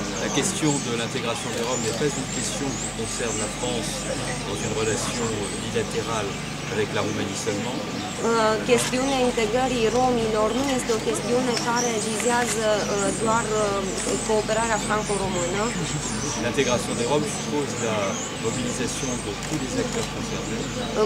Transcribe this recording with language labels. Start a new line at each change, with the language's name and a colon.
French: La question de l'intégration des Roms n'est pas une question qui concerne la France dans une relation bilatérale avec la Roumanie seulement.
Romanian: Chestiunea integrării romilor nu este o chestiune care vizează doar cooperarea franco-română.
French: L'intégration des Roms suppose la mobilisation de tous les acteurs concernés.